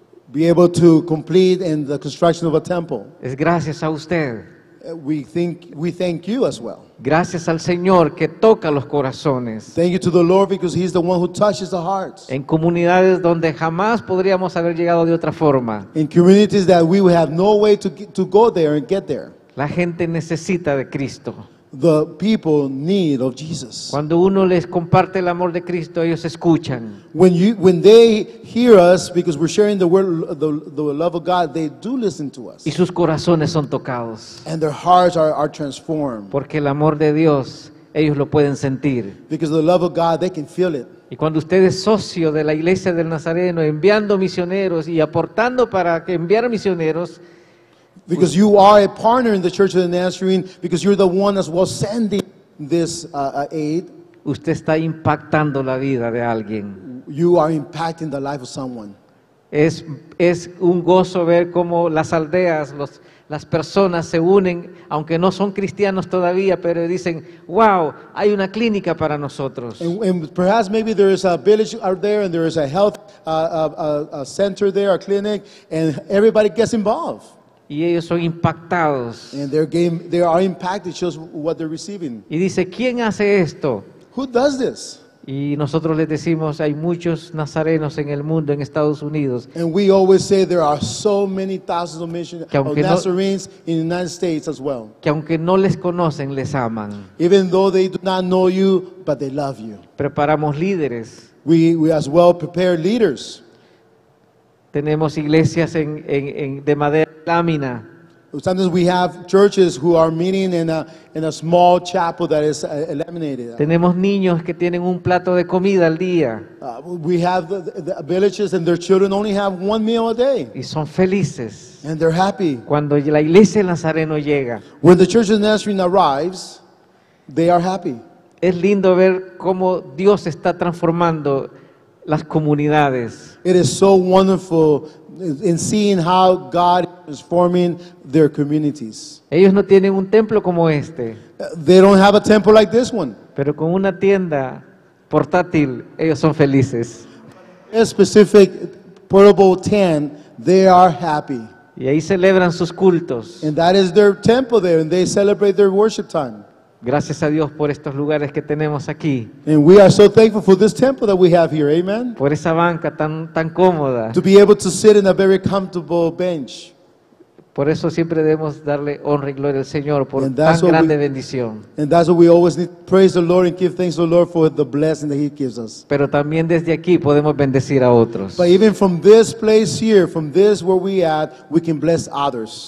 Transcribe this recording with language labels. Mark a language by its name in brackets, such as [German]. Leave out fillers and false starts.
[English] Be able to complete in the construction of a temple. [Spanish] Es gracias a usted. [English] We thank you as well. [Spanish] Gracias al Señor que toca los corazones. [English] Thank you to the Lord because He's the one who touches the hearts. [Spanish] En comunidades donde jamás podríamos haber llegado de otra forma. [English] In communities that we would have no way to go there and get there. [Spanish] La gente necesita de Cristo. [English] The people need of Jesus. [Spanish] Cuando uno les comparte el amor de Cristo, ellos escuchan. [English] When they hear us because we're sharing the love of God, they do listen to us. [Spanish] Y sus corazones son tocados. [English] And their hearts are transformed. [Spanish] Porque el amor de Dios, ellos lo pueden sentir. [English] Because the love of God, they can feel it. [Spanish] Y cuando usted es socio de la Iglesia del Nazareno, enviando misioneros y aportando para enviar misioneros. [English] Because you are a partner in the Church of the Nazarene, because you're the one as well sending this aid. [Spanish] usted está impactando la vida de alguien. [English] You are impacting the life of someone. [Spanish] Es un gozo ver cómo las aldeas, las personas se unen, aunque no son cristianos todavía, pero dicen, wow, hay una clínica para nosotros. [English] And perhaps maybe there is a village out there and there is a health a center there, a clinic, and everybody gets involved. [Spanish] Y ellos son impactados. [English] And they are impacted just what they're receiving. [Spanish] Y dice, ¿quién hace esto? [English] Who does this? [Spanish] Y nosotros les decimos, hay muchos nazarenos en el mundo, en Estados Unidos. [English] And we always say there are so many thousands of missions of Nazarenes in the United States as well. [Spanish] Que aunque no les conocen, les aman. [English] Even though they do not know you, but they love you. [Spanish] Preparamos líderes. [English] We as well prepare leaders. [Spanish] Tenemos iglesias en de madera lámina. [English] Sometimes we have churches who are meeting in a small chapel that is laminated. [Spanish] Tenemos niños que tienen un plato de comida al día. [English] We have the villages and their children only have one meal a day. [Spanish] Y son felices. [English] And they're happy. [Spanish] Cuando la iglesia del Nazareno llega. [English] When the church of Nazarene arrives, they are happy. [Spanish] Es lindo ver cómo Dios está transformando las comunidades. [English] It is so wonderful in seeing how God is transforming their communities. [Spanish] Ellos no tienen un templo como este. [English] They don't have a temple like this one. [Spanish] Pero con una tienda portátil, ellos son felices. [English] A specific portable tent, they are happy. [Spanish] Y ahí celebran sus cultos. [English] And that is their temple there, and they celebrate their worship time. [Spanish] Gracias a Dios por estos lugares que tenemos aquí. [English] And we are so thankful for this temple that we have here, amen. [Spanish] Por esa banca tan tan cómoda. [English] To be able to sit in a very comfortable bench. [Spanish] Por eso siempre debemos darle honra y gloria al Señor por tan grande bendición. [English] And that's what we always need, praise the Lord and give thanks to the Lord for the blessing that He gives us. [Spanish] Pero también desde aquí podemos bendecir a otros. [English] But even from this place here, from this where we at, we can bless others.